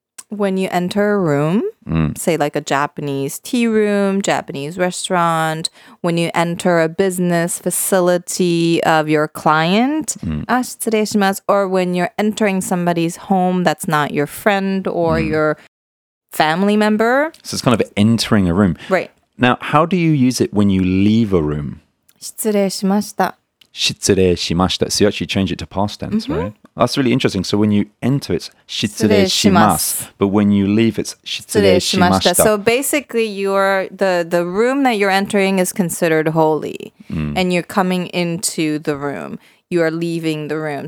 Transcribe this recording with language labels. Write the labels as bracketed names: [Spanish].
[English] When you enter a room, say like a Japanese tea room, Japanese restaurant, when you enter a business facility of your client, or when you're entering somebody's home that's not your friend or your family member. So it's kind of entering a room. Right. Now, how do you use it when you leave a room? [Japanese] 失礼しました。失礼しました. [English] So you actually change it to past tense, right? That's really interesting. So when you enter, it's [Japanese] 失礼します. [English] But when you leave, it's [Japanese] 失礼しました. [English] So basically, the room that you're entering is considered holy. And you're coming into the room. You are leaving the room.